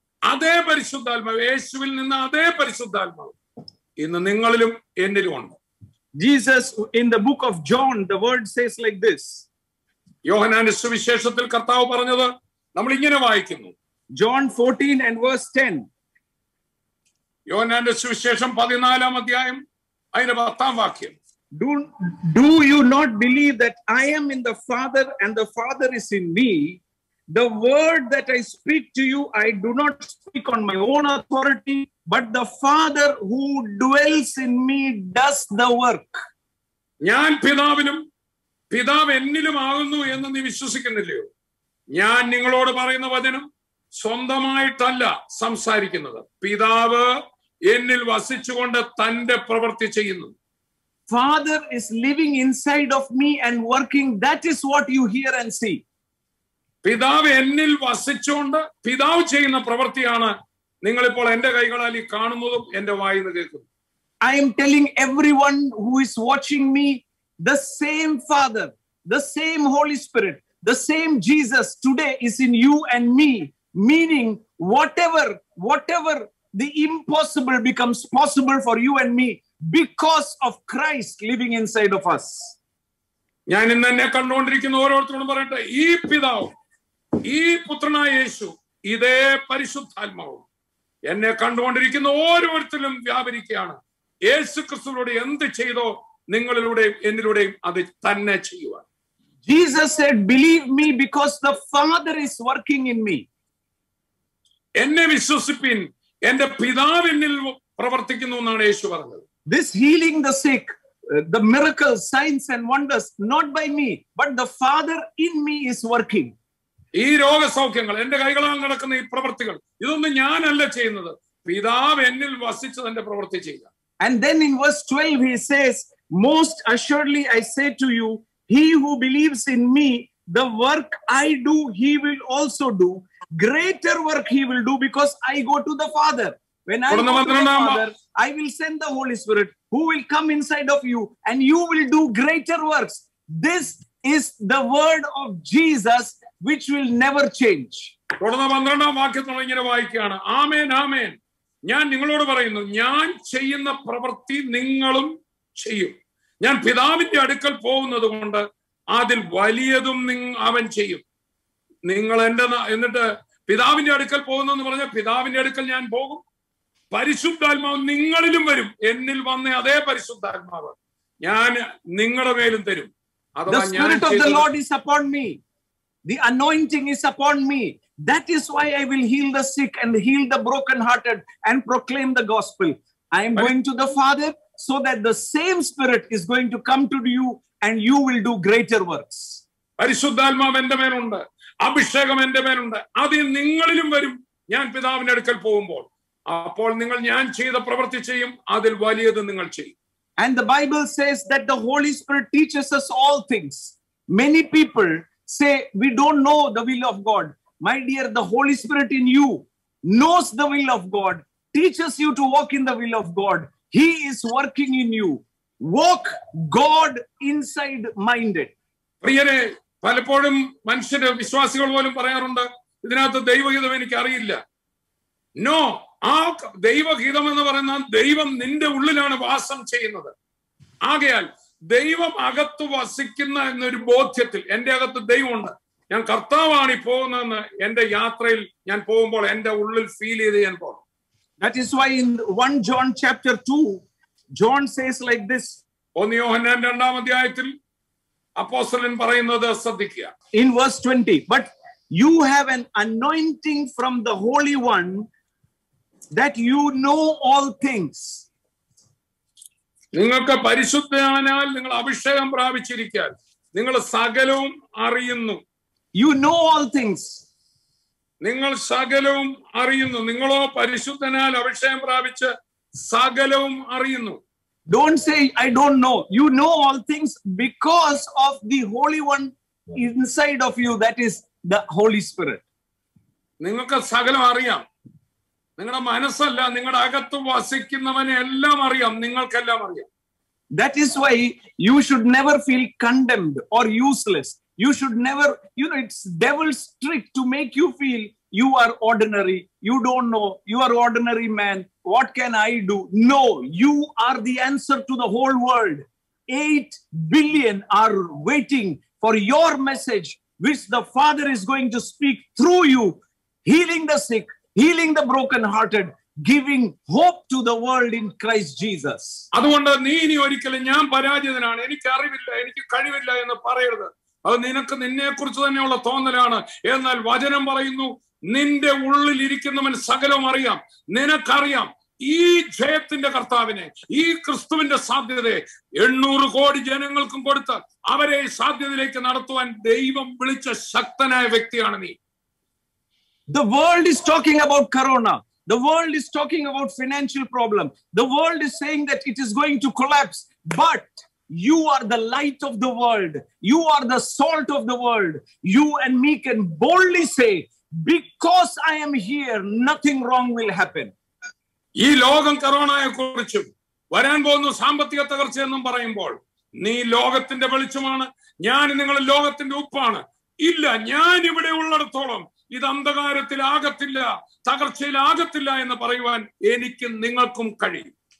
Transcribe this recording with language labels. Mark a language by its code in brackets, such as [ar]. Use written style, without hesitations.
[ml] അതേ പരിശുദ്ധാത്മാവ്, യേശുവിൽ നിന്ന് അതേ പരിശുദ്ധാത്മാവ് ഇന്ന് നിങ്ങളിലും എന്നിലും ഉണ്ട്. [en] Jesus, in the book of John, the word says like this. [ml] യോഹന്നാന്റെ സുവിശേഷത്തിൽ കർത്താവ് പറഞ്ഞത് നമ്മൾ ഇങ്ങനെ വായിക്കുന്നു. [en] John 14 and verse 10. [ml] യോഹന്നാന്റെ സുവിശേഷം 14-ാം അധ്യായം അതിന്റെ 10-ാം വാക്യം. [en] Do you not believe that I am in the Father and the Father is in me? The word that I speak to you, I do not speak on my own authority, but the Father who dwells in me does the work. [ml] ഞാൻ പിതാവിലും പിതാവ് എന്നിലും ആകുന്നു എന്ന് നീ വിശ്വസിക്കുന്നില്ലയോ? ഞാൻ നിങ്ങളോട് പറയുന്ന വചനം സ്വന്തമായിട്ടല്ല സംസാരിക്കുന്നത്. പിതാവ് എന്നിൽ വസിച്ചുകൊണ്ട് തന്റെ പ്രവൃത്തി ചെയ്യുന്നു. [en] Father is living inside of me and working. That is what you hear and see. [ml] പിതാവ് എന്നിൽ വസിച്ചുകൊണ്ട് പിതാവ് ചെയ്യുന്ന പ്രവൃത്തിയാണ് നിങ്ങൾ ഇപ്പോൾ എന്റെ കൈകളാൽ ഈ കാണുന്നതും എന്റെ വായിൽ നിന്ന് കേൾക്കുന്നതും. [en] I am telling everyone who is watching me, the same Father, the same Holy Spirit, the same Jesus today is in you and me, meaning whatever the impossible becomes possible for you and me because of Christ living inside of us. [ml] ഞാൻ ഇന്നെന്നെ കണ്ടുകൊണ്ടിരിക്കുന്ന ഓരോരുത്തരോടും പറയട്ടെ, ഈ പിതാവ്, ഈ പുത്രനായ യേശു, ഇതേ പരിശുദ്ധാത്മാവ് എന്നെ കണ്ടുകൊണ്ടിരിക്കുന്ന ഓരോരുത്തരും വ്യാപരിക്കുകയാണ്. യേശു ക്രിസ്തുവിലൂടെ എന്ത് ചെയ്തോ നിങ്ങളിലൂടെയും എന്നിലൂടെയും അത് തന്നെ ചെയ്യുക. [en] Jesus said, believe me because the Father is working in me. [ml] എന്നെ വിശ്വസിപ്പിൻ, എന്റെ പിതാവ് എന്നിൽ പ്രവർത്തിക്കുന്നു എന്നാണ് യേശു പറഞ്ഞത്. [en] This healing the sick, the miracles, signs and wonders, not by me, but the Father in me is working. [ml] ഈ രോഗസൗഖ്യങ്ങൾ എന്റെ കൈകളാൽ നടക്കുന്ന ഈ പ്രവൃത്തികൾ ഇതൊന്നും ഞാനല്ല ചെയ്യുന്നത്, പിതാവ് എന്നിൽ വസിച്ചു തന്റെ പ്രവൃത്തി ചെയ്യുക. [en] And then in verse 12 he says, most assuredly I say to you, he who believes in me, the work I do he will also do, greater work he will do, because I go to the Father. When I go to the Father, I will send the Holy Spirit who will come inside of you, and you will do greater works. This is the word of Jesus which will never change. Amen. [ml] ഞാൻ നിങ്ങളോട് പറയുന്നു, ഞാൻ ചെയ്യുന്ന പ്രവൃത്തി നിങ്ങളും ചെയ്യും. ഞാൻ പിതാവിന്റെ അടുക്കൽ പോകുന്നത് കൊണ്ട് അതിൽ വലിയതും അവൻ ചെയ്യും. നിങ്ങൾ എന്റെ എന്നിട്ട് പിതാവിന്റെ അടുക്കൽ പോകുന്നെന്ന് പറഞ്ഞാൽ പിതാവിന്റെ അടുക്കൽ ഞാൻ പോകും, പരിശുദ്ധാത്മാവ് നിങ്ങളിലും വരും. എന്നിൽ വന്ന അതേ പരിശുദ്ധാത്മാവ് ഞാൻ നിങ്ങളുടെ മേലും തരും. [en] The Spirit of the Lord is upon me. The anointing is upon me. That is why I will heal the sick and heal the broken hearted and proclaim the gospel. I am going to the Father so that the same Spirit is going to come to you and you will do greater works. [ml] പരിശുദ്ധാത്മാവ് എന്റെ മേലുണ്ട്, അഭിഷേകം എന്റെ മേലുണ്ട്, അത് നിങ്ങളിലും വരും. ഞാൻ പിതാവിന്റെ അടുക്കൽ പോകുമ്പോൾ അപ്പോൾ നിങ്ങൾ ഞാൻ ചെയ്ത പ്രവൃത്തി ചെയ്യും, അതിൽ വലിയത് നിങ്ങൾ ചെയ്യും. [en] And the Bible says that the Holy Spirit teaches us all things. Many people say, we don't know the will of God. My dear, the Holy Spirit in you knows the will of God, teaches you to walk in the will of God. He is working in you. Walk God inside minded. [ml] പ്രിയരെ, പലപ്പോഴും മനുഷ്യരെ വിശ്വാസികൾ പോലും പറയാറുണ്ട്, ഇതിനകത്ത് ദൈവഹിതം എനിക്ക് അറിയില്ല. നോ, ആ ദൈവഹിതം എന്ന് പറയുന്ന ദൈവം നിന്റെ ഉള്ളിലാണ് വാസം ചെയ്യുന്നത്. ആകയാൽ ദൈവം അകത്ത് വസിക്കുന്ന എന്നൊരു ബോധ്യത്തിൽ, എന്റെ അകത്ത് ദൈവമുണ്ട്, ഞാൻ കർത്താവാണ് പോകുന്നതെന്ന് എന്റെ യാത്രയിൽ ഞാൻ പോകുമ്പോൾ എന്റെ ഉള്ളിൽ ഫീൽ ചെയ്ത് ഞാൻ പോകണം. [en] That is why in 1 John chapter 2, John says like this. [ml] ഒന്ന് യോഹന്നാൻ രണ്ടാം അധ്യായത്തിൽ അപ്പോസ്തലൻ പറയുന്നത് ശ്രദ്ധിക്കുക. [en] In verse 20, but you have an anointing from the Holy One that you know all things. [ml] നിങ്ങൾക്ക് പരിശുദ്ധനാൽ നിങ്ങൾ അഭിഷേകം പ്രാപിച്ചിരിക്കാൻ നിങ്ങൾ സകലവും അറിയുന്നു. [en] You know all things. [ml] നിങ്ങൾ സകലവും അറിയുന്നു. നിങ്ങളോ പരിശുദ്ധനാൽ അഭിഷേകം പ്രാപിച്ച് സകലവും അറിയുന്നു. [en] Don't say I don't know. You know all things because of the Holy One inside of you, that is the Holy Spirit. [ml] നിങ്ങൾക്ക് സകലം അറിയാം, നിങ്ങളുടെ മനസ്സല്ല, നിങ്ങളുടെ അകത്ത് വസിക്കുന്നവനെ എല്ലാം അറിയാം, നിങ്ങൾക്കെല്ലാം അറിയാം. [en] That is why you should never feel condemned or useless. You should never, you know, it's devil's trick to make you feel you are ordinary. You don't know. You are ordinary man. What can I do? No, you are the answer to the whole world. 8 billion are waiting for your message, which the Father is going to speak through you, healing the sick, healing the brokenhearted, giving hope to the world in Christ Jesus. [ml] അതുകൊണ്ട് നീ ഇനി ഒരിക്കലും ഞാൻ പരാജിതനാണ്, എനിക്ക് അറിവില്ല, എനിക്ക് കഴിവില്ല എന്ന് പറയരുത്. അത് നിനക്ക് നിന്നെ കുറിച്ച് തന്നെയുള്ള തോന്നലാണ്. എന്നാൽ വചനം പറയുന്നു, നിന്റെ ഉള്ളിൽ ഇരിക്കുന്നവൻ സകലം അറിയാം, നിനക്കറിയാം. ഈ ജയത്തിന്റെ കർത്താവിനെ, ഈ ക്രിസ്തുവിന്റെ സാധ്യതയെ 800 കോടി ജനങ്ങൾക്കും കൊടുത്ത് അവരെ സാധ്യതയിലേക്ക് നടത്തുവാൻ ദൈവം വിളിച്ച ശക്തനായ വ്യക്തിയാണ് നീ. [en] The world is talking about corona. The world is talking about financial problem. The world is saying that it is going to collapse. But you are the light of the world. You are the salt of the world. You and me can boldly say, because I am here, nothing wrong will happen. [ml] ഈ ലോകം കൊറോണയെ കുറിച്ചും വരാൻ പോകുന്ന സാമ്പത്തിക തകർച്ച എന്നും പറയുമ്പോൾ നീ ലോകത്തിന്റെ വെളിച്ചമാണ്, ഞാൻ നിങ്ങൾ ലോകത്തിന്റെ ഉപ്പാണ്. ഇല്ല, ഞാൻ ഇവിടെ ഉള്ളിടത്തോളം ഇത് അന്ധകാരത്തിലാകത്തില്ല, തകർച്ചയിലാകത്തില്ല എന്ന് പറയുവാൻ എനിക്കും നിങ്ങൾക്കും കഴിയും.